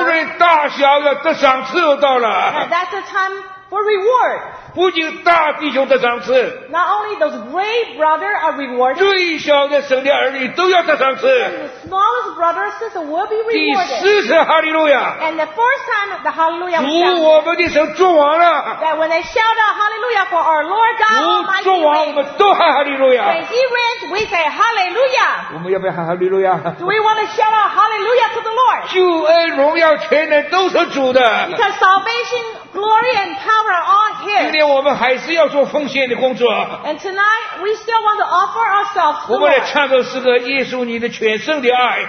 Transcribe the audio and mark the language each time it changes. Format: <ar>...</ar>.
<zh>无论大小的赏赐又到了。</zh> <en>And that's the time for reward.</en> <zh>不仅大弟兄的赏赐，</zh> <en>not only those great brother are rewarded.</en> <zh>最小的神的儿女都要得赏赐。</zh> <en>The smallest brother or sister will be rewarded.</en> <zh>第四次哈利路亚。</zh> <en>And the first time the hallelujah.</en> <zh>主我们的神作王了。</zh> <en>That when they shout out hallelujah for our Lord God Almighty.</en> <zh>主作王，我们都喊哈利路亚。</zh> <en>When he reigns, we say hallelujah.</en> <zh>我们要不要喊哈利路亚？</zh> <en>Do we want to shout out hallelujah to the Lord?</en> <zh>救恩、荣耀、全能都是主的。</zh> <en>Because salvation, glory, and power are all His.</en> <zh>今天我们还是要做奉献的工作。</zh> <en>And tonight we still want to offer ourselves.</en> <zh>我们来唱这诗歌，耶稣你的全胜的爱。</zh>